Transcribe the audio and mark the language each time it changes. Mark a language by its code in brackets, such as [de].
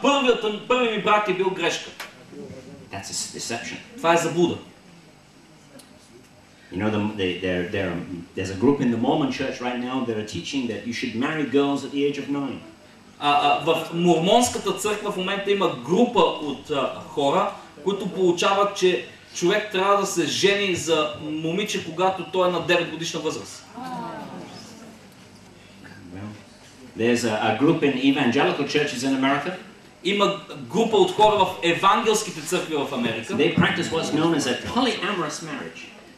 [bg] Първият ми брат е бил грешка. [en] That's a deception. [bg] Това е заблуда. [en] You know, there's a group in the Mormon church right now that are teaching that you should marry girls at the age of 9. [bg] В мормонската църква в момента има група от хора, които получават, че човек трябва да се жени за момиче, когато той е на 9 годишна възраст. [en] There's a group in evangelical churches in America. [bg] Има група от хора в евангелските църкви в Америка. [en] They practice what's known as a polyamorous marriage.